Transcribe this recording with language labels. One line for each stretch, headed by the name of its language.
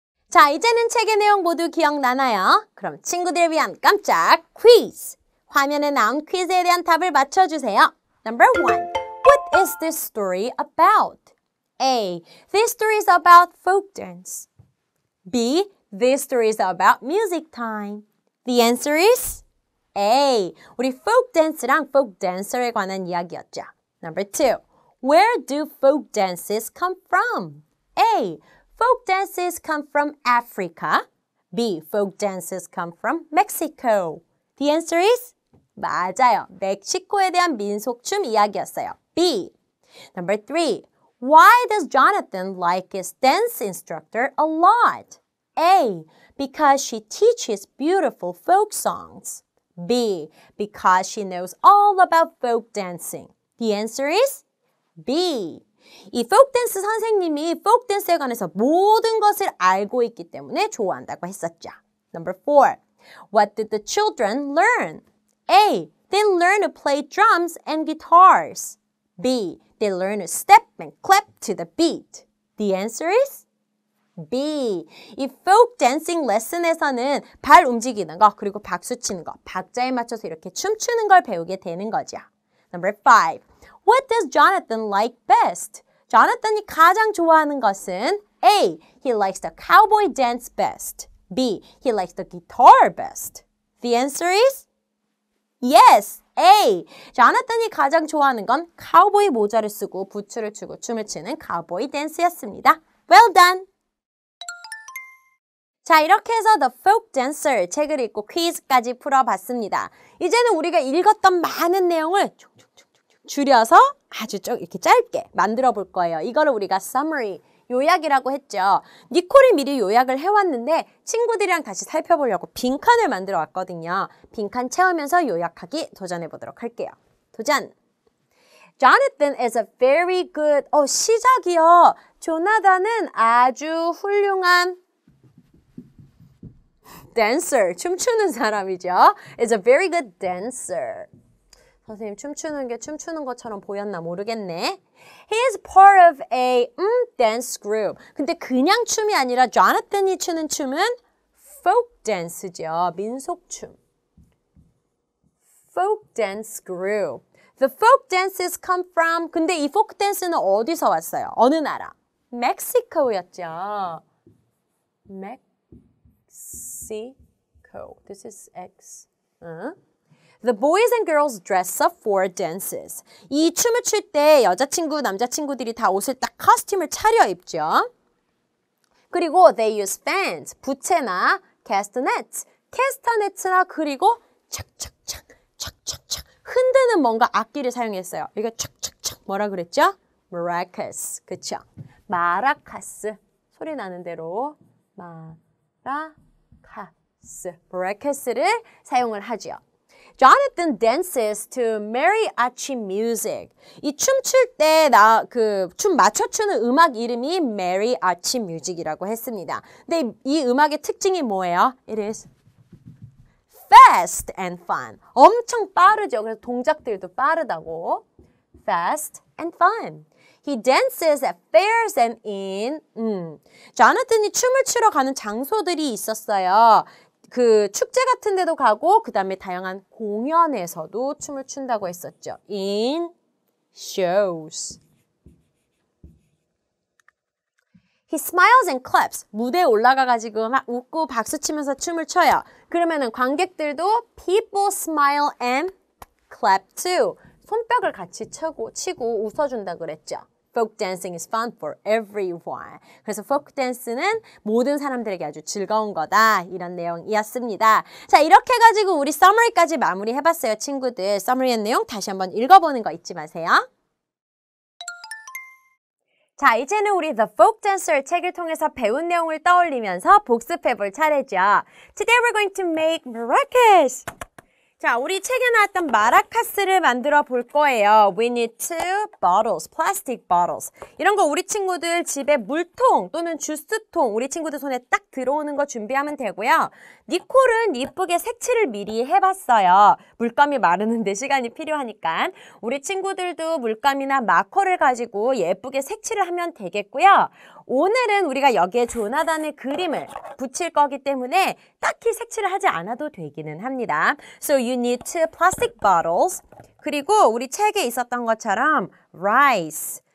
Korean: 자, 이제는 책의 내용 모두 기억나나요? 그럼 친구들을 위한 깜짝 퀴즈! 화면에 나온 퀴즈에 대한 답을 맞춰주세요.
English: Number 1. What is this story about? A. This story is about folk dance. B. This story is about music time. V. The answer is A.
Korean: 우리 folk dance랑 folk dancer에 관한 이야기였죠.
English: Number two. Where do folk dances come from? A. Folk dances come from Africa. B. Folk dances come from Mexico. The answer is
Korean: 맞아요. 멕시코에 대한 민속춤 이야기였어요.
English: B. Number three. Why does Jonathan like his dance instructor a lot? A. Because she teaches beautiful folk songs. B. Because she knows all about folk dancing. The answer is B.
Korean: 이 folk dance 선생님이 folk dance에 관해서 모든 것을 알고 있기 때문에 좋아한다고 했었죠.
English: Number four. What did the children learn? A. They learned to play drums and guitars. B. They learned to step and clap to the beat. The answer is B.
Korean: 이 folk dancing lesson에서는 발 움직이는 거, 그리고 박수 치는 거, 박자에 맞춰서 이렇게 춤추는 걸 배우게 되는 거죠.
English: Number five. What does Jonathan like best?
Korean: Jonathan이 가장 좋아하는 것은 A.
English: He likes the cowboy dance best. B. He likes the guitar best. The answer is Yes, A.
Korean: Jonathan이 가장 좋아하는 건 카우보이 모자를 쓰고 부츠를 추고 춤을 추는 카우보이 댄스였습니다.
English: Well done!
Korean: 자, 이렇게 해서 The Folk Dancer 책을 읽고 퀴즈까지 풀어봤습니다. 이제는 우리가 읽었던 많은 내용을 줄여서 아주 좀 이렇게 짧게 만들어 볼 거예요. 이거를 우리가 summary, 요약이라고 했죠. 니콜이 미리 요약을 해왔는데 친구들이랑 다시 살펴보려고 빈칸을 만들어 왔거든요. 빈칸 채우면서 요약하기 도전해 보도록 할게요. 도전!
English: Jonathan is a very good...
Korean: 시작이요. 조나단은 아주 훌륭한... dancer, 춤추는 사람이죠.
English: is a very good dancer.
Korean: 선생님, 춤추는 게 춤추는 것처럼 보였나 모르겠네.
English: He is part of a dance group.
Korean: 근데 그냥 춤이 아니라 Jonathan이 추는 춤은 folk dance죠.
English: 민속춤. Folk dance group. The folk dances come from...
Korean: 근데 이 folk dance는 어디서 왔어요? 어느 나라? 멕시코였죠. Mexico.
English: This is X. The boys and girls dress up for dances.
Korean: 이 춤을 출 때 여자친구, 남자친구들이 다 옷을 딱 커스튬을 차려입죠. 그리고
English: they use fans,
Korean: 부채나
English: castanets.
Korean: castanets나 그리고 착착착, 착착착 흔드는 뭔가 악기를 사용했어요. 이거 착착착 뭐라 그랬죠? maracas, 그쵸? 마라카스, 소리 나는 대로 마라카스, maracas를 사용을 하죠.
English: Jonathan dances to mariachi music.
Korean: 이 춤출 때 나 그 춤 맞춰 추는 음악 이름이 mariachi music이라고 했습니다. 근데 이 음악의 특징이 뭐예요?
English: It is fast and fun.
Korean: 엄청 빠르죠. 그래서 동작들도 빠르다고.
English: Fast and fun. He dances at fairs and inn.
Korean: Jonathan이 춤을 추러 가는 장소들이 있었어요. 그 축제 같은 데도 가고 그 다음에 다양한 공연에서도 춤을 춘다고 했었죠.
English: In shows. He smiles and claps.
Korean: 무대에 올라가가지고 막 웃고 박수치면서 춤을 춰요. 그러면은 관객들도
English: people smile and clap too.
Korean: 손뼉을 같이 치고 웃어준다 그랬죠.
English: Folk dancing is fun for everyone.
Korean: 그래서 folk dance는 모든 사람들에게 아주 즐거운 거다. 이런 내용이었습니다. 자, 이렇게 가지고 우리 summary까지 마무리해봤어요, 친구들. summary의 내용 다시 한번 읽어보는 거 잊지 마세요. 자, 이제는 우리 The Folk Dancer 책을 통해서 배운 내용을 떠올리면서 복습해볼 차례죠.
English: Today we're going to make maracas.
Korean: 자, 우리 책에 나왔던 마라카스를 만들어 볼 거예요.
English: We need two bottles, plastic bottles.
Korean: 이런 거 우리 친구들 집에 물통 또는 주스통 우리 친구들 손에 딱 들어오는 거 준비하면 되고요. 니콜은 이쁘게 색칠을 미리 해봤어요. 물감이 마르는데 시간이 필요하니까 우리 친구들도 물감이나 마커를 가지고 예쁘게 색칠을 하면 되겠고요. 오늘은 우리가 여기에 조나단의 그림을 붙일 거기 때문에 딱히 색칠을 하지 않아도 되기는 합니다.
English: So you need two plastic bottles.
Korean: 그리고 우리 책에 있었던 것처럼
English: rice.